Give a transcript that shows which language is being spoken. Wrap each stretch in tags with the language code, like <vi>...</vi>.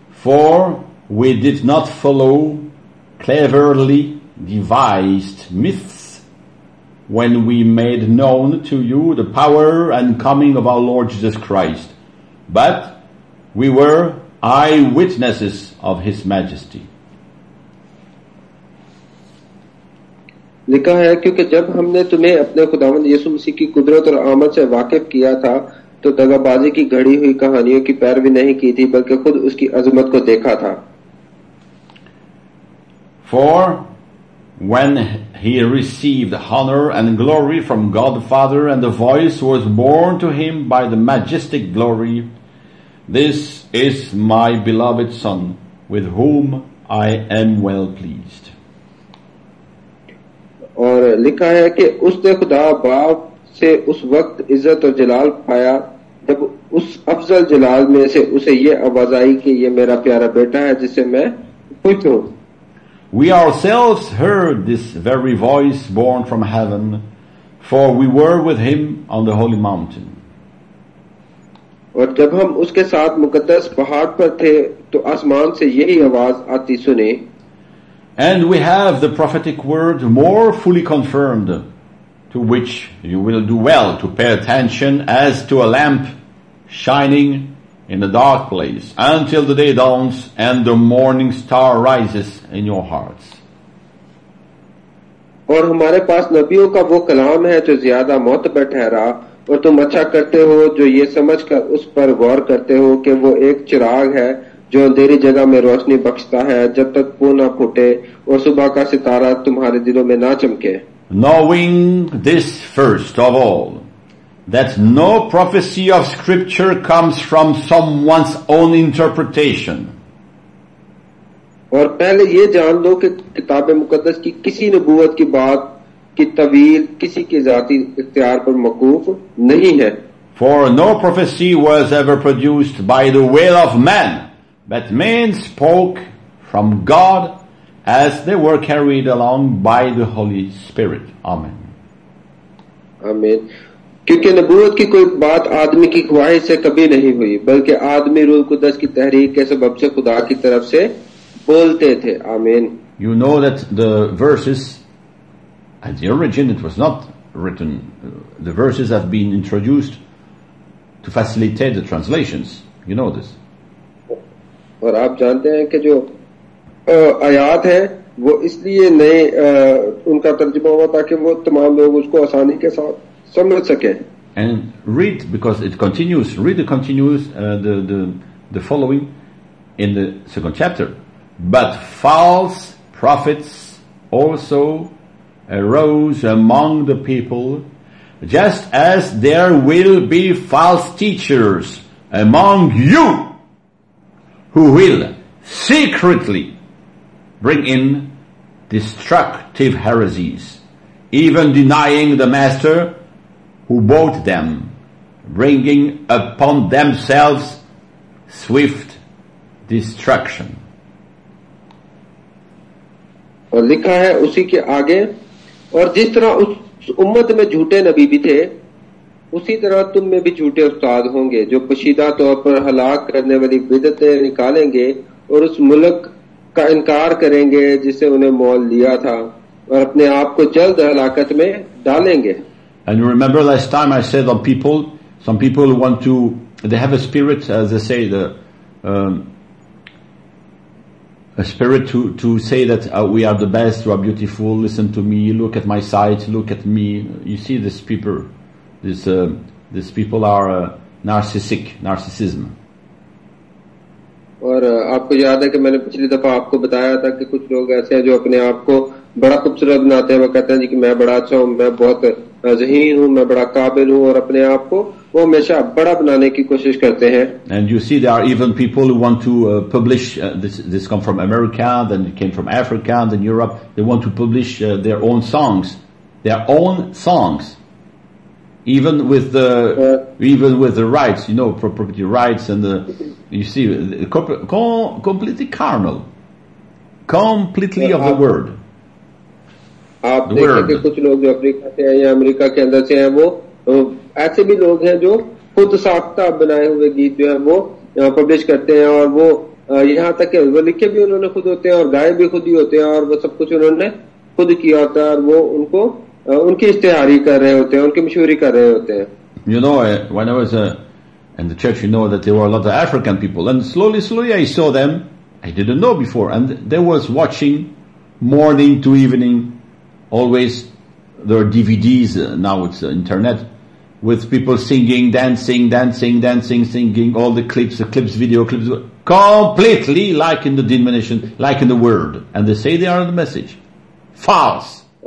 <en>For we did not follow cleverly devised myths when we made known to you the power and coming of our Lord Jesus Christ, but we were eyewitnesses of His Majesty.</en> <hi>लिखा है क्योंकि जब हमने तुम्हें अपने खुदावंद यीशु मसीह की कुदरत और आमद से वाकिफ किया था तो दगाबाजी की घड़ी हुई कहानियों की पैरवी नहीं की थी बल्कि खुद उसकी अजमत को देखा था.</hi> <en>For when he received honor and glory from God the Father and the voice was borne to him by the majestic glory, this is my beloved son with whom I am well pleased.</en> <hi>और लिखा है कि उसने खुदा बाप से उस वक्त इज्जत और जलाल पाया जब उस अफजल जलाल में से उसे ये आवाज आई कि ये मेरा प्यारा बेटा है जिसे मैं खुश हूं.</hi> <en>We ourselves heard this very voice born from heaven, for we were with him on the holy mountain.</en> <hi>और जब हम उसके साथ मुकद्दस पहाड़ पर थे तो आसमान से यही आवाज आती सुनी.</hi> <en>And we have the prophetic word more fully confirmed, to which you will do well to pay attention as to a lamp shining in a dark place until the day dawns and the morning star rises in your hearts.</en> <hi>और हमारे पास नबियों का वो कलाम है जो ज्यादा मोतबर ठहरा और तुम अच्छा करते हो जो ये समझकर उस पर गौर करते हो कि वो एक चिराग है जो अंधेरी जगह में रोशनी बख्शता है जब तक वो ना फूटे और सुबह का सितारा तुम्हारे दिलों में ना चमके.</hi> <en>Knowing this first of all, that no prophecy of scripture comes from someone's own interpretation.</en> <hi>और पहले ये जान लो कि किताबे मुकद्दस की किसी नबूवत की बात की तवील किसी के जाती इख्तियार पर मकूफ नहीं है.</hi> <en>For no prophecy was ever produced by the will of man. But men spoke from God as they were carried along by the Holy Spirit. Amen. Amen.</en> <hi>क्योंकि नबूवत की कोई बात आदमी की ख्वाहिश से कभी नहीं हुई बल्कि आदमी रूह कुदस की तहरीक के सबब से खुदा की तरफ से बोलते थे.</hi> <en>Amen. You know that the verses, at the origin it was not written, the verses have been introduced to facilitate the translations. You know this.</en> <hi>और आप जानते हैं कि जो आयात है वो इसलिए नए उनका तर्जुमा हुआ ताकि वो तमाम लोग उसको आसानी के साथ समझ सके.</hi> <en>And read, because it continues, read the continues the following in the second chapter. But false prophets also arose among the people, just as there will be false teachers among you, who will secretly bring in destructive heresies, even denying the master who bought them, bringing upon themselves swift destruction.</en> <hi>और लिखा है उसी के आगे, और जिस तरह उस उम्मत में झूठे नबी भी थे उसी तरह तुम में भी झूठे उस्ताद होंगे जो पशीदा तौर पर हलाक करने वाली बिदतें निकालेंगे और उस मुल्क का इनकार करेंगे जिसे उन्हें मोल लिया था और अपने आप को जल्द हलाकत में डालेंगे.</hi> <en>And you remember last time I said that people, some people want to, they have a spirit, as they say, the a spirit to say that we are the best, we are beautiful, listen to me, look at my sight, look at me. You see this people, these people are narcissism.</en> <hi>और आपको याद है कि मैंने पिछली दफा आपको बताया था कि कुछ लोग ऐसे हैं जो अपने आप को बड़ा खूबसूरत बनाते हैं, वो कहते हैं जी कि मैं बड़ा अच्छा हूँ, मैं बहुत ज़हीन हूँ, मैं बड़ा काबिल हूँ, और अपने आप को वो हमेशा बड़ा बनाने की कोशिश करते हैं.</hi> <en>And you see there are even people who want to publish this come from America, then it came from Africa, then Europe, they want to publish their own songs. Even with the rights, you know, property rights, and you see, completely carnal, completely of the word.</en> <hi>आप देखेंगे कुछ लोग जो Africa से हैं या America के अंदर से हैं, वो ऐसे भी लोग हैं जो खुद साख्ता बनाए हुए गीत जो हैं वो पब्लिश करते हैं, और वो यहाँ तक कि वो लिखे भी उन्होंने खुद होते हैं और गाए भी खुद ही होते हैं, और वो सब कुछ उन्होंने खुद किया होता है, और वो उनको उनकी इश्तेहारी कर रहे होते हैं, उनकी मशहूरी कर रहे होते हैं.</hi> <en>You know, when I was in the church, you know that there were a lot of African people, and slowly I saw them. I didn't know before, and they was watching morning to evening, always their DVDs. Now it's internet with people singing, dancing, singing all the clips, video clips, completely like in the denomination, like in the world, and they say they are the message, false.</en>